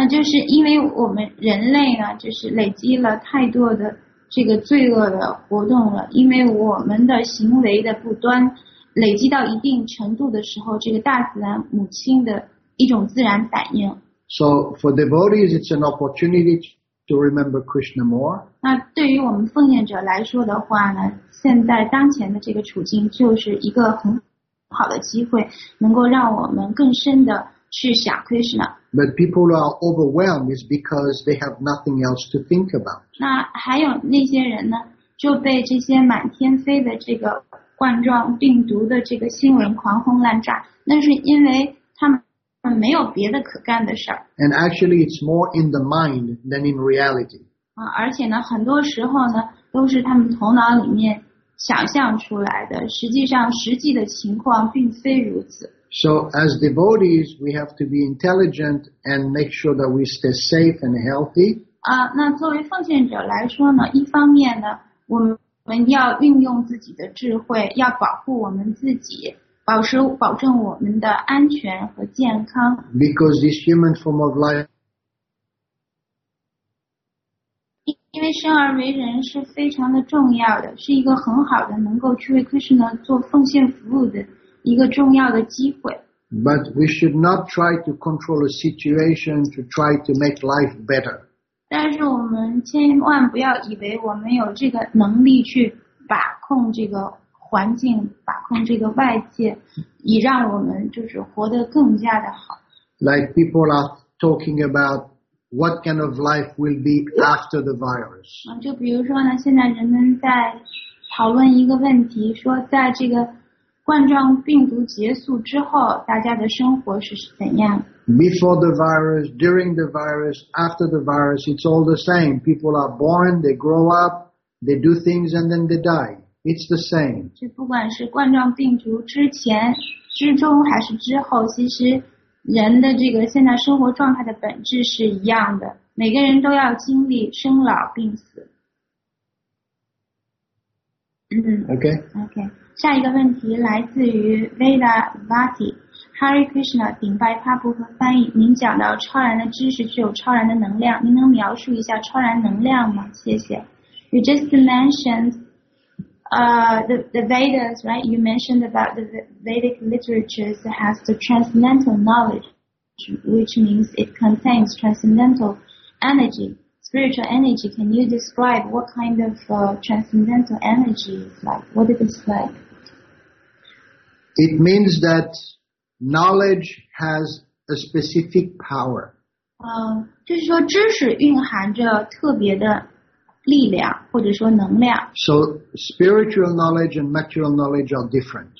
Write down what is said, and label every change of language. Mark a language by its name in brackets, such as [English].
[Chinese] 就是因为我们人类呢，就是累积了太多的这个罪恶的活动了，因为我们的行为的不端累积到一定程度的时候，这个大自然母亲的一种自然反应。 [English] So for devotees, it's an opportunity to remember Krishna more. [Chinese] 那对于我们奉献者来说的话呢，现在当前的这个处境就是一个很好的机会，能够让我们更深的去想 Krishna。 [English] But people who are overwhelmed is because they have nothing else to think about. [Chinese] 那还有那些人呢，就被这些满天飞的这个冠状病毒的这个新闻狂轰滥炸，那是因为他们没有别的可干的事儿。 [English] And actually it's more in the mind than in reality. [Chinese] 而且呢，很多时候呢，都是他们头脑里面想象出来的，实际上实际的情况并非如此。 [English] So as devotees, we have to be intelligent and make sure that we stay safe and healthy. [Chinese] 那作为奉献者来说呢，一方面呢，我们要运用自己的智慧，要保护我们自己，保证我们的安全和健康。 [English] Because this human form of life, [Chinese] 因为生而为人是非常的重要的，是一个很好的能够去为 Krishna 做奉献服务的一个重要的机会。 [English] But we should not try to control a situation to try to make life better. [Chinese] 但是我们千万不要以为我们有这个能力去把控这个环境，把控这个外界，以让我们就是活得更加的好。 [English] Like people are talking about what kind of life will be after the virus. [Chinese] 就比如说呢，现在人们在讨论一个问题，说在这个冠状病毒结束之后，大家的生活是怎样 [English] ？Before the virus, during the virus, after the virus, it's all the same. People are born, they grow up, they do things, and then they die. It's the same. [Chinese] 就不管是冠状病毒之前、之中还是之后，其实人的这个现在生活状态的本质是一样的。每个人都要经历生老病死。 [English] Okay. [Chinese] 下一个问题来自于 Veda Vati。Hare Krishna， 顶拜帕布和翻译，您讲到超然的知识具有超然的能量，您能描述一下超然能量吗？谢谢。 [English] You just mentioned the Vedas, right? You mentioned about the Vedic literatures has the transcendental knowledge, which means it contains transcendental energy, spiritual energy. Can you describe what kind of transcendental energy is like? What it is like? It means that knowledge has a specific power. [Chinese] 就是说知识蕴含着特别的力量或者说能量。 [English] So spiritual knowledge and material knowledge are different.